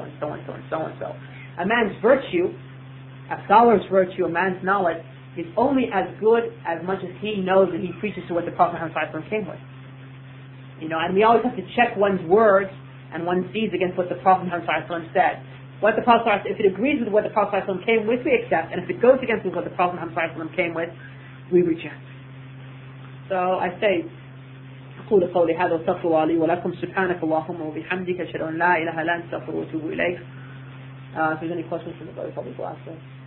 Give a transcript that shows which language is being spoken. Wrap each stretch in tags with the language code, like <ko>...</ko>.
<en>A man's virtue, a scholar's virtue, a man's knowledge, is only as good as much as he knows and he preaches to what the Prophet Muhammad ﷺ came with. You know, and we always have to check one's words and one's deeds against what the Prophet Muhammad ﷺ said. What the Prophet, if it agrees with what the Prophet ﷺ came with, we accept. And if it goes against what the Prophet ﷺ came with, we reject. So I say,</en> <ar>قول قولي هذا وأستغفر الله لي ولكم سبحانك اللهم وبحمدك أشهد أن لا إله إلا أنت أستغفر وأتوب إليك.</ar> <en>If there's any questions from the brother, probably will ask them.</en>